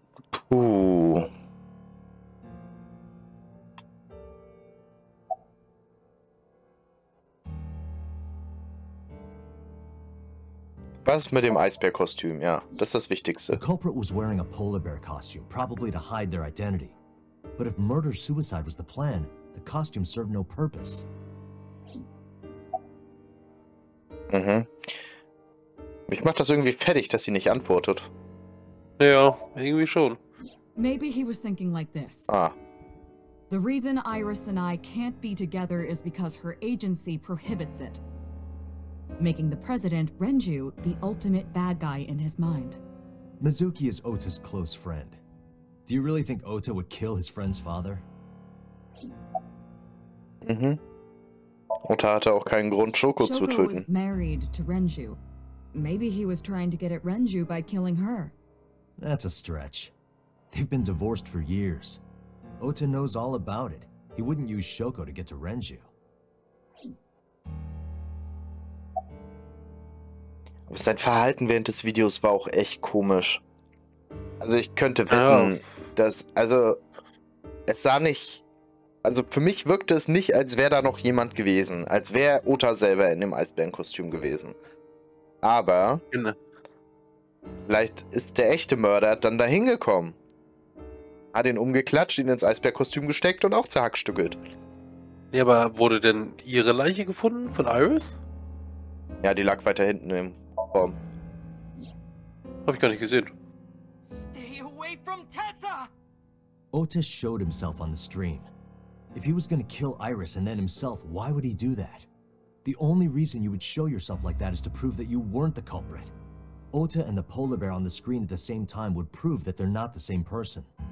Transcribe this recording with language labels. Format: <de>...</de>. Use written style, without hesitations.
<de>Puh. Was mit dem Eisbärkostüm? Ja, das ist das Wichtigste.</de> <en>The culprit was wearing a polar bear costume, probably to hide their identity. But if murder-suicide was the plan, the costume served no purpose. Mhm.</en> <de>Mich macht das irgendwie fertig, dass sie nicht antwortet. Ja, irgendwie schon.</de> <en>Maybe he was thinking like this. Ah. The reason Iris and I can't be together is because her agency prohibits it. Making the president, Renju, the ultimate bad guy in his mind. Mizuki is Ota's close friend. Do you really think Ota would kill his friend's father? Mhm.</en> <de>Ota hatte auch keinen Grund, Shoko zu töten.</de> <en>Shoko was married to Renju. Maybe he was trying to get at Renju by killing her. That's a stretch. They've been divorced for years. Ota knows all about it. He wouldn't use Shoko to get to Renju.</en> <de>Aber sein Verhalten während des Videos war auch echt komisch. Also ich könnte wetten, dass, also, es sah nicht, also für mich wirkte es nicht, als wäre da noch jemand gewesen. Als wäre Ota selber in dem Eisbärenkostüm gewesen. Aber, vielleicht ist der echte Mörder dann da hingekommen. Hat ihn umgeklatscht, ihn ins Eisbärenkostüm gesteckt und auch zerhackstückelt. Ja, aber wurde denn ihre Leiche gefunden von Iris? Ja, die lag weiter hinten im... Hab ich gar nicht gesehen.</de> <en>Stay away from Tessa! Ota showed himself on the stream. If he was gonna kill Iris and then himself, why would he do that? The only reason you would show yourself like that is to prove that you weren't the culprit. Ota and the polar bear on the screen at the same time would prove that they're not the same person.</en>